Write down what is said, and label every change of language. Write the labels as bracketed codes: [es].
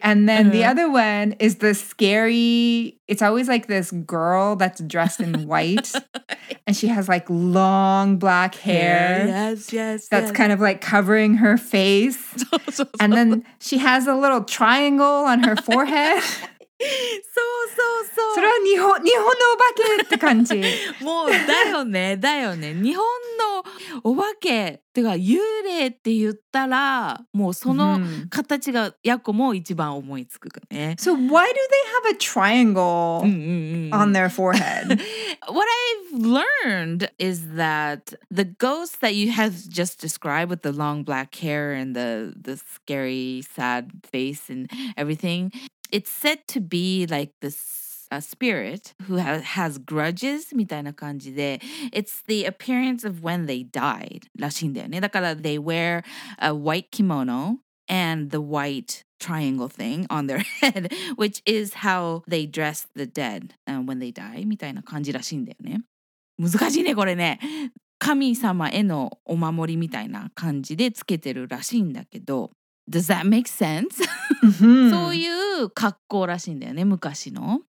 [en] And then the other one is the scary, it's always like this girl that's dressed in white and she has like long black hair. Yes, kind of like covering her face. And then she has a little triangle on her forehead. [ja] そう。それは日本のお化けって感じ。もうだよね。日本のお化けってか幽霊って言ったら、もうその形がヤコも一番思いつくかね。 [en] So why do they have a triangle on their forehead? What I've learned is that the ghost that you have just described with the long black hair and the scary sad face and everything. It's said to be like this spirit who has grudges [ja] みたいな感じで [en] It's the appearance of when they died [ja] らしいんだよね。だから [en] they wear a white kimono and the white triangle thing on their head, which is how they dress the dead when they die [ja] みたいな感じらしいんだよね。難しいねこれね。神様へのお守りみたいな感じでつけてるらしいんだけど。 [en] Does that make sense? [ja] そういう格好らしいんだよね、昔の。